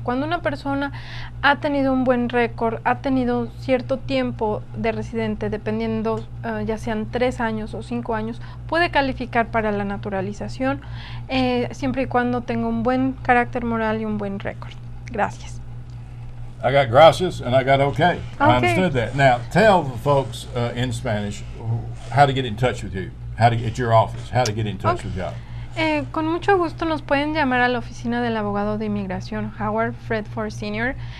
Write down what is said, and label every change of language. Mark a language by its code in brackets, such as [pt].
[es] Cuando una persona ha tenido un buen récord, ha tenido cierto tiempo de residente, dependiendo ya sean 3 años o 5 años, puede calificar para la naturalización siempre y cuando tenga un buen carácter moral y un buen récord. Gracias. [en] I got gracias and I got okay. Okay. I understood that. Now, tell the folks in Spanish how to get in touch with you, how to get your office, how to get in touch with y'all. [es] Con mucho gusto nos pueden llamar a la oficina del abogado de inmigración Howard Fredford Sr.